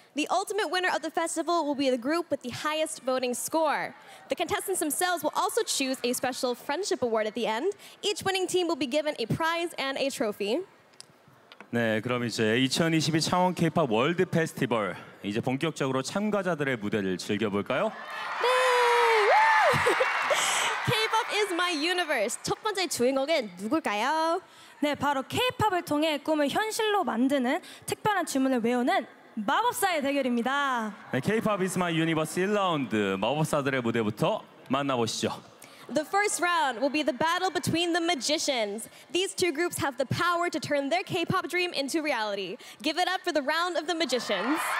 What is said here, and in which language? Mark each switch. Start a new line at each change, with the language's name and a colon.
English: The ultimate winner of the festival will be the group with the highest voting score. The contestants themselves will also choose a special friendship award at the end. Each winning team will be given a prize and a trophy.
Korean: 네, 그럼 이제 2022 창원 K-POP 월드 페스티벌 이제 본격적으로 참가자들의 무대를 즐겨볼까요?
English: 네! K-POP is my universe.
Korean: 첫 번째 주인공은 누굴까요? 네, 바로 K-POP을 통해 꿈을 현실로 만드는 특별한 주문을 외우는 마법사의 대결입니다. 네, K-POP is my universe 1라운드 마법사들의 무대부터 만나보시죠.
English: The first round will be the battle between the magicians. These two groups have the power to turn their K-POP dream into reality. Give it up for the round of the magicians.